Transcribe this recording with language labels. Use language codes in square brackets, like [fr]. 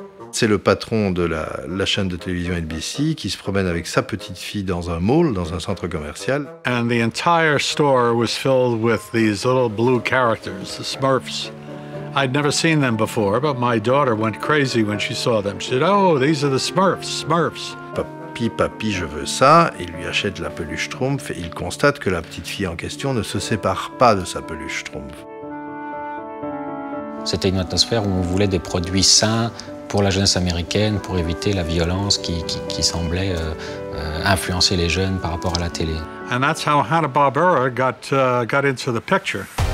[fr] C'est le patron de la chaîne de télévision NBC qui se promène avec sa petite fille dans un mall, dans un centre commercial. [en] And the entire store was filled with these little blue characters, the Smurfs. I'd never seen them before, but my daughter went crazy when she saw them. She said, "Oh, these are the Smurfs, Smurfs." [fr] Papi, papi, je veux ça. Il lui achète la peluche Schtroumpf et il constate que la petite fille en question ne se sépare pas de sa peluche Schtroumpf. C'était une atmosphère où on voulait des produits sains pour la jeunesse américaine, pour éviter la violence qui semblait influencer les jeunes par rapport à la télé. [en] And that's how Hanna-Barbera got into the picture.